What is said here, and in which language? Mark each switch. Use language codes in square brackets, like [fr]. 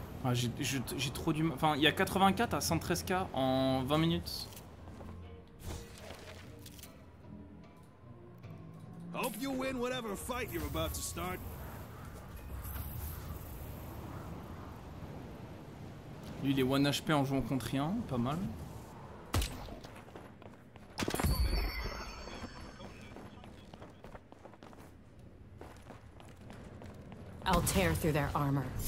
[fr] Ah, j'ai trop du mal. Enfin, il y a 84 à 113k en 20 minutes. [en] Hope you win whatever fight you're about to start. [fr] Lui, il est 1 HP en jouant contre rien, pas mal. [en] I'll tear through their armor.